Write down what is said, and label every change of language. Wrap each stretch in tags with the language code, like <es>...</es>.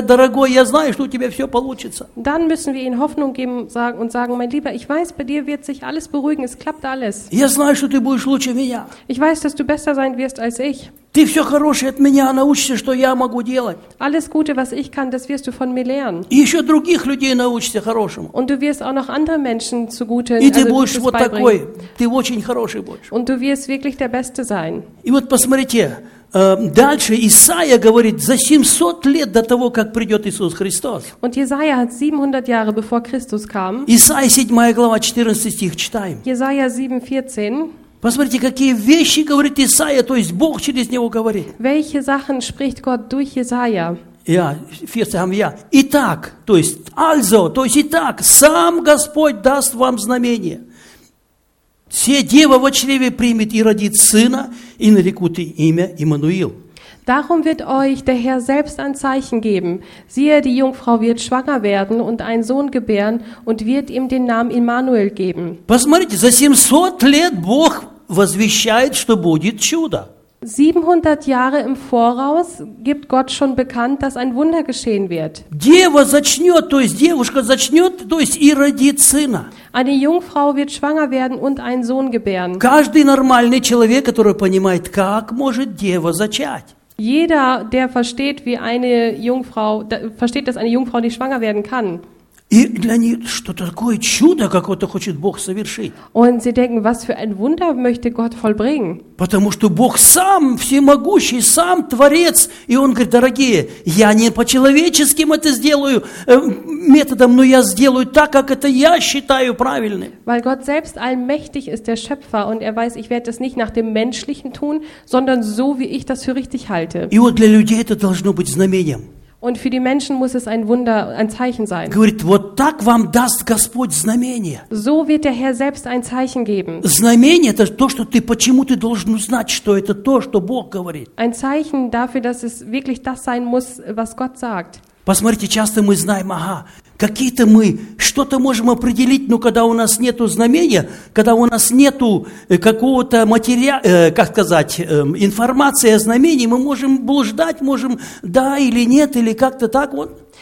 <de>Dann müssen wir ihnen Hoffnung geben und sagen, mein Lieber, ich weiß, bei dir wird sich alles beruhigen, es klappt alles. Ich weiß, dass du besser sein wirst als ich.</de> <ru>Ты все хорошее от меня научишься, что я могу делать.</ru> <de>Alles Gute, was ich kann, das wirst du von mir lernen.</de> <ru>И еще других людей научишься хорошему.</ru> <de>Und du wirst auch noch andere Menschen zu guten,</de> <ru>и ты будешь вот такой. Ты очень хороший будешь.</ru> <de>Und du wirst wirklich der Beste sein.</de> <ru>И вот посмотрите, дальше Исаия говорит, за 700 лет до того, как придет Иисус Христос.</ru> <de>Und Jesaja hat 700 Jahre, bevor Christus kam.</de> <ru>Исаия 7 глава, 14 стих, читаем.</ru> <de>Jesaja 7, 14.</de> <ru>Посмотрите, какие вещи говорит Исаия, то есть Бог через него говорит.</ru> <de>Welche Sachen spricht Gott durch Jesaja? Ja, 14 haben wir.</de> <ru>Итак, то есть, also, то есть, итак, сам Господь даст вам знамение. Все дева во чреве примет и родит сына, и нарекут имя Иммануил.</ru> <de>Darum wird euch der Herr selbst ein Zeichen geben. Siehe, die Jungfrau wird schwanger werden und einen Sohn gebären und wird ihm den Namen Immanuel geben.</de> <ru>Посмотрите, за 700 лет Бог возвещает, что будет чудо.</ru> <de>700 Jahre im Voraus gibt Gott schon bekannt, dass ein Wunder geschehen wird.</de> <ru>Дева зачнёт, то есть девушка зачнёт, то есть и родит сына.</ru> <de>Eine Jungfrau wird schwanger werden und einen Sohn gebären.</de> <ru>Каждый нормальный человек, который понимает, как может дева зачать.</ru> <de>Jeder, der versteht, wie eine Jungfrau, versteht, dass eine Jungfrau nicht schwanger werden kann.</de> <ru>И для них что-то такое чудо какое-то хочет Бог совершить.</ru> <de>Und sie denken, was für ein Wunder möchte Gott vollbringen?</de> <ru>Потому что Бог сам всемогущий, сам творец, и он говорит: "Дорогие, я не по человеческим это сделаю методом, но я сделаю так, как это я считаю правильным".</ru> <de>Weil Gott selbst allmächtig ist, der Schöpfer, und er weiß, ich werde das nicht nach dem menschlichen tun, sondern so, wie ich das für richtig halte.</de> <ru>И вот для людей это должно быть знамением.</ru> <de>Und für die Menschen muss es ein Wunder, ein Zeichen sein.</de> <ru>Говорит, вот так вам даст Господь знамение.</ru> <de>So wird der Herr selbst ein Zeichen geben.</de> <ru>Знамение – это то, что ты, почему ты должен узнать, что это то, что Бог говорит.</ru> <de>Ein Zeichen dafür, dass es wirklich das sein muss, was Gott sagt.</de> <ru>Посмотрите, часто мы знаем, ага, какие-то мы что-то можем определить, но когда у нас нету знамения, когда у нас нету какого-то материала, как сказать, информации о знамении, мы можем блуждать, можем да или нет, или как-то так вот.</ru>